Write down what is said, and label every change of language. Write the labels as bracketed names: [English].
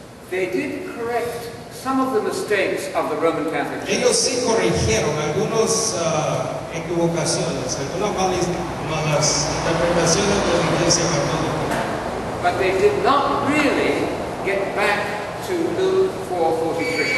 [English] They did correct some of the mistakes of the Roman Catholic Church. [Spanish] Ellos sí corrigieron algunas equivocaciones, algunas malas interpretaciones de la Iglesia Católica. [English] But they did not really get back to Luke 4:43.